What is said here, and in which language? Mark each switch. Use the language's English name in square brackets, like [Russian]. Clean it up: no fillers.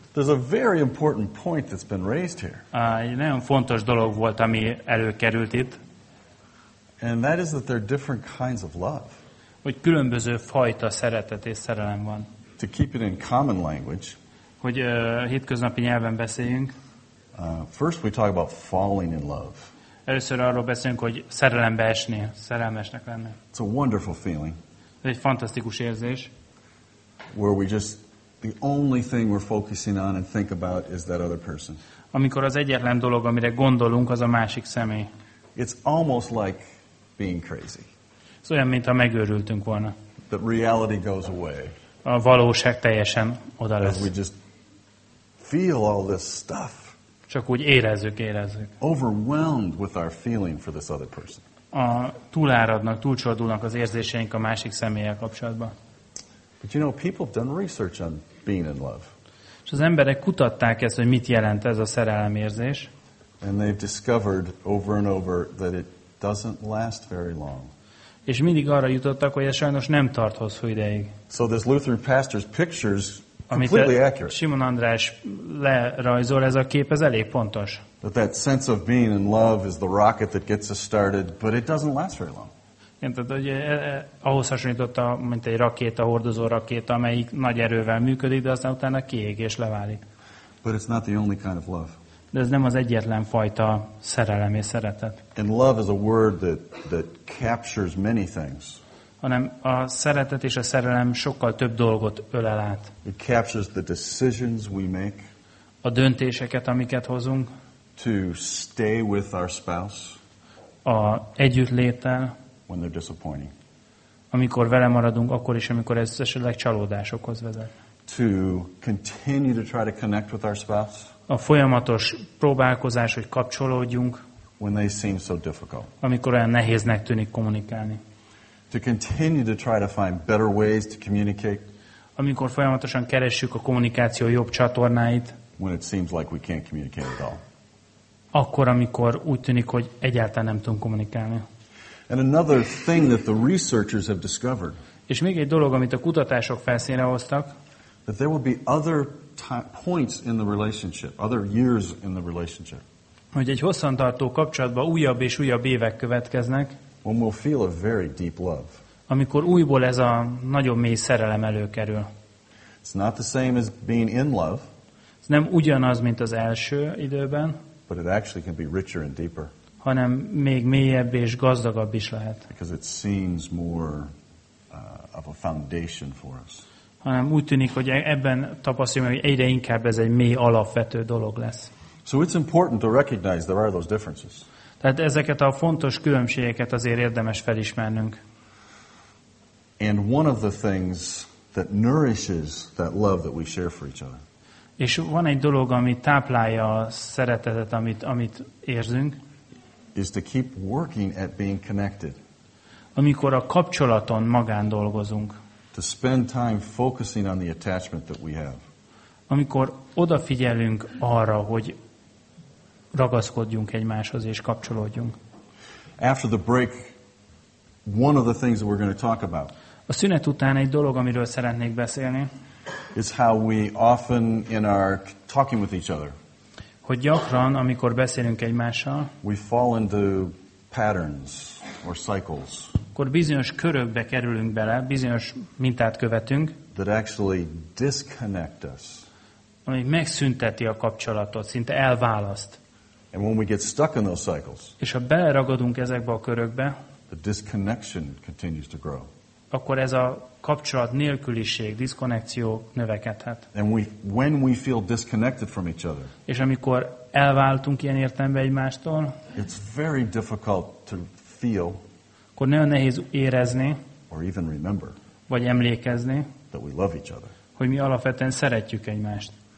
[English] There's a very important point that's been raised here. [Hungarian] Nagyon fontos dolog volt, ami előkerült itt. [English] And that is that there are different kinds of love. [Hungarian] Hogy különböző fajta szeretet és szerelem van. [English] To keep it in common language. [Hungarian] Hogy hétköznapi nyelven beszéljünk. [English] First we talk about falling in love. [Hungarian] Először arról beszélünk, hogy szerelembe esni, szerelmesnek lenni. [English] It's a wonderful feeling. [Hungarian] Egy fantasztikus érzés. [English] Where we just The only thing we're focusing on and think about is that other person. [Hungarian] Amikor az egyetlen dolog, amire gondolunk, az a másik személy. [English] It's almost like being crazy. [Hungarian] Ez olyan, mintha megőrültünk volna. [English] The reality goes away. [Hungarian] A valóság teljesen oda lesz. [English] We just feel all this stuff. [Hungarian] Csak úgy érezzük. [English] Overwhelmed with our feeling for this other person. [Hungarian] A túláradnak, túlcsordulnak az érzéseink a másik személlyel kapcsolatban. [English] But you know, people have done research on being in love. [Hungarian] És az emberek kutatták ezt, hogy mit jelent ez a szerelem érzés. [English] And they've discovered over and over that it doesn't last very long. [Hungarian] És mindig arra jutottak, hogy ez sajnos nem tart hosszú ideig. [English] So this Lutheran pastor's pictures completely accurate. [Hungarian] Simon András lerajzol, ez a kép, ez elég pontos. [English] That sense of being in love is the rocket that gets us started, but it doesn't last very long. [Hungarian] Tehát, hogy ahhoz hasonlította, mint egy rakéta, hordozó rakéta, amelyik nagy erővel működik, de aztán utána kiég és leválik. [English] But it's not the only kind of love. [Hungarian] De ez nem az egyetlen fajta szerelem és szeretet. [English] And love is a word that captures many things. [Hungarian] Hanem a szeretet és a szerelem sokkal több dolgot ölel át. [English] It captures the decisions we make. [Hungarian] A döntéseket, amiket hozunk. [English] To stay with our spouse. [Hungarian] A együttléttel. [English] When they're disappointing. [Hungarian] Amikor vele maradunk, akkor is, amikor ez esetleg csalódásokhoz vezet. [English] To continue to try to connect with our spouse. [Hungarian] A folyamatos próbálkozás, hogy kapcsolódjunk, [English] when they seem so difficult. [Hungarian] Amikor olyan nehéznek tűnik kommunikálni. [English] To continue to try to find better ways to communicate. [Hungarian] Amikor folyamatosan keressük a kommunikáció jobb csatornáit, [English] when it seems like we can't communicate at all. [Hungarian] Akkor, amikor úgy tűnik, hogy egyáltalán nem tudunk kommunikálni. [English] And another thing that the researchers have discovered. [Hungarian] És még egy dolog, amit a kutatások felszínre hoztak. [English] That there will be other points in the relationship, other years in the relationship. [Hungarian] Hogy egy hosszantartó kapcsolatban újabb és újabb évek következnek. [English] When we'll feel a very deep love. [Hungarian] Amikor újból ez a nagyon mély szerelem előkerül. [English] It's not the same as being in love. [Hungarian] Ez nem ugyanaz, mint az első időben. [English] But it actually can be richer and deeper. [Hungarian] Hanem még mélyebb és gazdagabb is lehet. [English] Because it seems more of a foundation for us. [Hungarian] Hanem úgy tűnik, hogy ebben tapasztalom, hogy egyre inkább ez egy mély alapvető dolog lesz. [English] So it's important to recognize there are those differences. [Hungarian] Tehát ezeket a fontos különbségeket azért érdemes felismernünk. [English] And one of the things that nourishes that love that we share for each other. [Hungarian] És van egy dolog, ami táplálja a szeretetet, amit érzünk. [English] Is to keep working at being connected. [Hungarian] Amikor a kapcsolaton magán dolgozunk. [English] To spend time focusing on the attachment that we have. [Hungarian] Amikor odafigyelünk arra, hogy ragaszkodjunk egymáshoz és kapcsolódjunk. [English] After the break, one of the things that we're going to talk about. [Hungarian] A szünet után egy dolog, amiről szeretnék beszélni. [English] Is how we often in our talking with each other. [Hungarian] Hogy gyakran, amikor beszélünk egymással. [English] We fall into patterns or cycles. [Hungarian] Akkor bizonyos körökbe kerülünk bele, bizonyos mintát követünk. [English] That actually disconnect us. [Hungarian] Ami megszünteti a kapcsolatot, szinte elválaszt. [English] And when we get stuck in those cycles. [Hungarian] És ha beleragadunk ezekbe a körökbe. [English] The disconnection continues to grow. [Hungarian] Akkor ez a kapcsolat nélküliség, diszkonnekció növekedhet. [English] And when we feel disconnected from each other. [Hungarian] És amikor elváltunk ilyen értelemben egymástól. [English] It's very difficult to feel. [Hungarian] Akkor nagyon nehéz érezni. [English] Or even remember. [Hungarian] Vagy emlékezni. [English] That we love each other. [Hungarian] Hogy mi alapvetően szeretjük egymást.